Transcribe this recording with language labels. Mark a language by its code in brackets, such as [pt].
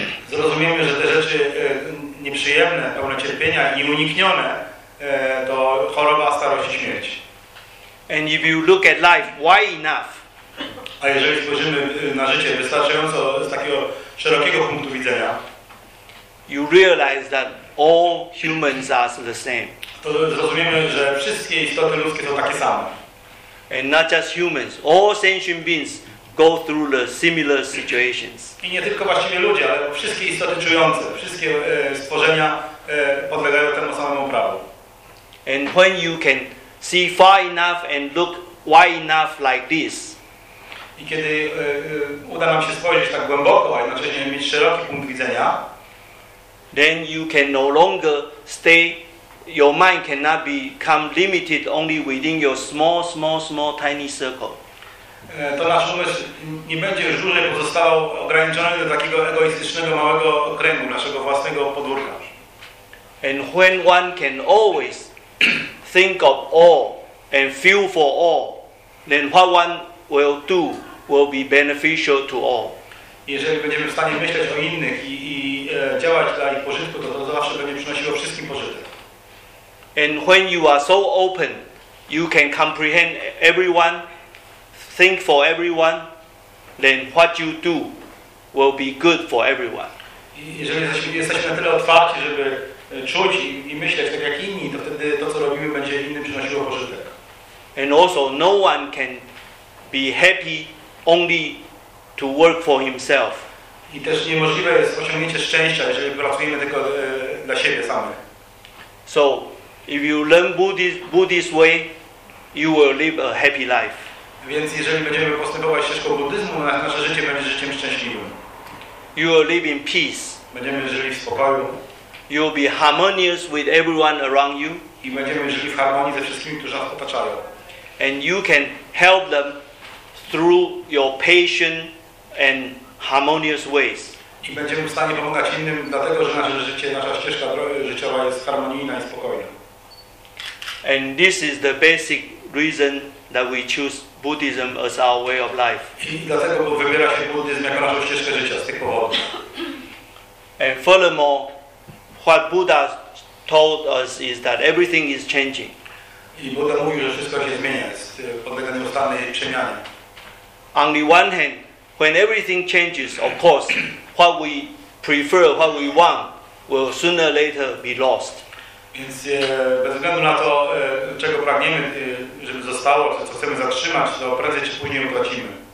[pl] Zrozumiemy, że te rzeczy nieprzyjemne, pełne cierpienia i nieuniknione to choroba, starość i śmierć. [en] And if you look at life, why enough? [pl] A jeżeli spojrzymy na życie wystarczająco z takiego szerokiego punktu widzenia, [en] you realize that all humans are the same. [pl] To zrozumiemy, że wszystkie istoty ludzkie są takie same. [en] And not just humans, all sentient beings go through the similar situations. [pl] I nie tylko właściwie ludzie, ale wszystkie istoty czujące, wszystkie stworzenia podlegają temu samemu prawu. [en] And when you can see far enough and look wide enough like this. [pl] I kiedy uda nam się spojrzeć tak głęboko, a jednocześnie mieć szeroki punkt widzenia, [en] then you can no longer stay. Your mind cannot become limited only within your small, tiny circle. [pl] To nasz umysł nie będzie już dłużej pozostał ograniczony do takiego egoistycznego małego okręgu naszego własnego podwórka. [en] And when one can always think of all and feel for all, then what one will do will be beneficial to all. [pl] Jeżeli będziemy w stanie myśleć o innych i działać dla ich pożytku, to zawsze będzie przynosiło wszystkim pożytek. [en] And when you are so open, you can comprehend everyone, think for everyone, then what you do will be good for everyone. [pl] Jeżeli jesteśmy na tyle otwarci, żeby czuć i myśleć tak jak inni, to wtedy to, co robimy, będzie innym przynosiło pożytek. [en] And also, no one can be happy only to work for himself. [pl] I też niemożliwe jest osiągnięcie szczęścia, jeżeli pracujemy tylko dla siebie samych. [en] So, if you learn Buddhist way, you will live a happy life. [pl] Więc jeżeli będziemy postępować ścieżką buddyzmu, nasze życie będzie życiem szczęśliwym. [en] You will live in peace. [pl] Będziemy żyli w spokoju. [en] You will be harmonious with everyone around you. [pl] I będziemy żyli w harmonii ze wszystkimi, którzy nas otaczają. [en] And you can help them through your patient and harmonious ways. [pl] I będziemy w stanie pomagać innym, dlatego że nasze życie, nasza ścieżka życiowa jest harmonijna i spokojna. [en] And this is the basic reason that we choose Buddhism as our way of life. [pl] Dlatego wybiera się buddyzm jako naszą ścieżkę życia z tych powodów. [en] And furthermore, what Buddha told us is that everything is changing. [pl] I Buddha mówił, że wszystko się zmienia, podlega nieustannej przemianie. [en] On the one hand, when everything changes, of course, what we prefer, what we want, will sooner or later be lost. [pl] Więc bez względu na to, czego pragniemy, żeby zostało, co chcemy zatrzymać, to prędzej czy później utracimy.